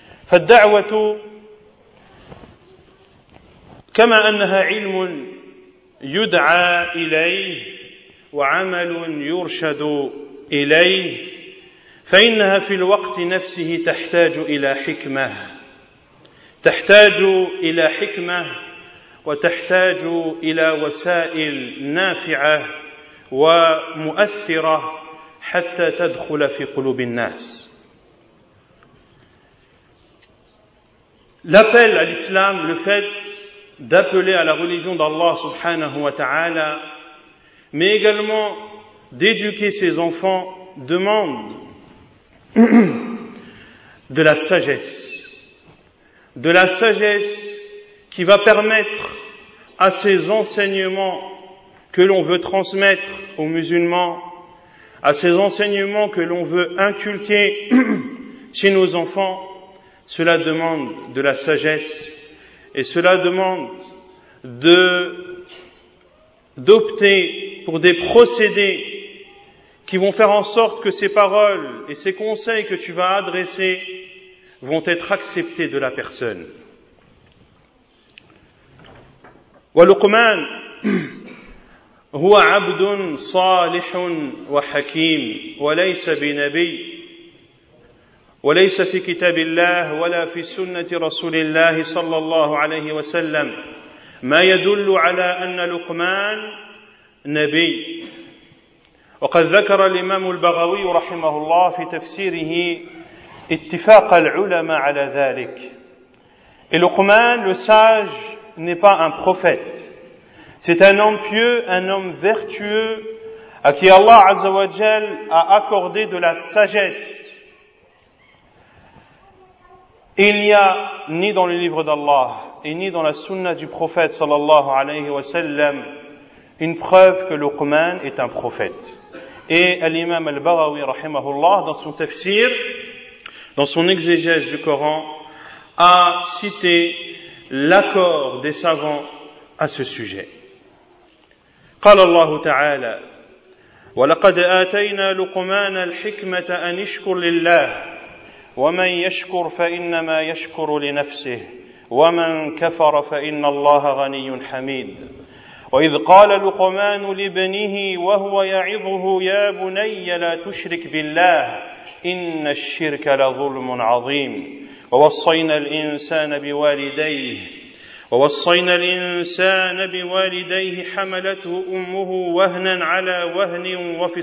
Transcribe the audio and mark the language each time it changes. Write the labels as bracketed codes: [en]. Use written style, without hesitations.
[ar] فالدعوة كما أنها علم يدعى إليه وعمل يرشد إليه، فإنها في الوقت نفسه تحتاج إلى حكمة، تحتاج إلى حكمة وتحتاج إلى وسائل نافعة ومؤثرة حتى تدخل في قلوب الناس. [fr] L'appel à l'islam, le fait d'appeler à la religion d'Allah subhanahu wa ta'ala, mais également d'éduquer ses enfants, demande de la sagesse. de la sagesse qui va permettre à ces enseignements que l'on veut transmettre aux musulmans, à ces enseignements que l'on veut inculquer chez nos enfants, cela demande de la sagesse et cela demande d'opter pour des procédés qui vont faire en sorte que ces paroles et ces conseils que tu vas adresser vont être acceptés de la personne. [ar] Waluqman هو عبد صالح وحكيم وليس بنبي وليس في كتاب الله ولا في سنة رسول الله صلى الله عليه وسلم ما يدل على أن لقمان نبي. وقد ذكر الإمام البغوي رحمه الله في تفسيره اتفاق العلماء على ذلك. [fr] لقمان le sage n'est pas un prophète. C'est un homme pieux, un homme vertueux, à qui Allah Azzawajal a accordé de la sagesse. Il n'y a ni dans le livre d'Allah, et ni dans la sunna du prophète sallallahu alayhi wa sallam, une preuve que Luqman est un prophète. Et l'imam al-Baghawi rahimahullah, dans son tafsir, dans son exégèse du Coran, a cité l'accord des savants à ce sujet. [ar] قال الله تعالى ولقد آتينا لقمان الحكمة أن يشكر لله ومن يشكر فإنما يشكر لنفسه ومن كفر فإن الله غني حميد وإذ قال لقمان لابنه وهو يعظه يا بني لا تشرك بالله إن الشرك لظلم عظيم ووصينا الإنسان بوالديه ووصينا الإنسان بوالديه حملته أمه وهنا على وهن